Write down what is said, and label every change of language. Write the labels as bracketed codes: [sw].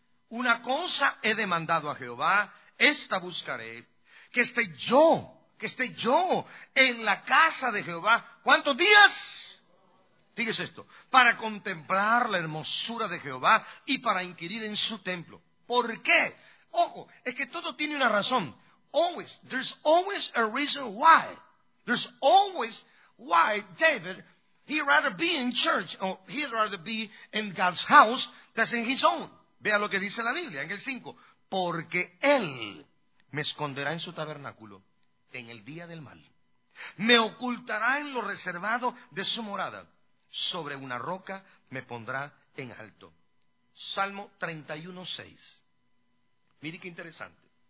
[es] Una cosa he demandado a Jehová, esta buscaré, que esté yo en la casa de Jehová. ¿Cuántos días? Fíjese esto, para contemplar la hermosura de Jehová y para inquirir en su templo. ¿Por qué? Ojo, es que todo tiene una razón. [en] Always, there's always a reason why. There's always why David, he'd rather be in church, or he'd rather be in God's house than in his own. [es] Vea lo que dice la Biblia en el 5. Porque él me esconderá en su tabernáculo en el día del mal. Me ocultará en lo reservado de su morada. Sobre una roca me pondrá en alto. Salmo 31:6. Mire qué interesante.